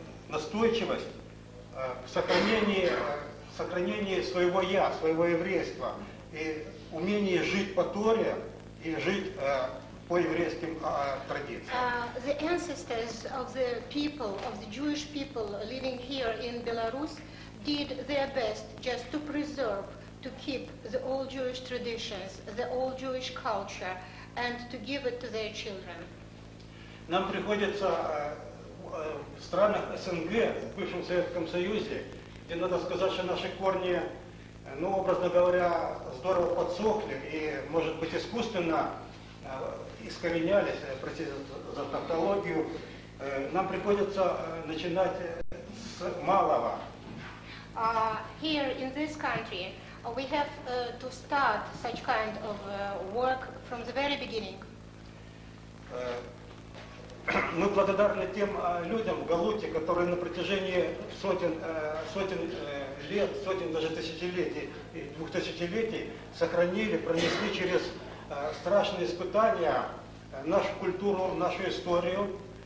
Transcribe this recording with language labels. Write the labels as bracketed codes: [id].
[ru] настойчивость в сохранении своего я, своего еврейства и умении жить по Торе и жить по еврейским традициям. [en] The ancestors of the people, of the Jewish people living here in Belarus, did their best just to preserve, to keep the old Jewish traditions, the old Jewish culture, and to give it to their children. [ru] Нам приходится в странах СНГ, в бывшем Советском Союзе, где надо сказать, что наши корни, ну, образно говоря, здорово подсохли и, может быть, искусственно искоренялись, простите за тавтологию. Нам приходится начинать с малого. [en] Here in this country, we have to start such kind of work from the very beginning. [ru] Мы благодарны тем людям в Галуте, которые на протяжении сотен лет, сотен даже тысячелетий, двух тысячелетий сохранили, пронесли через страшные испытания нашу культуру, нашу историю.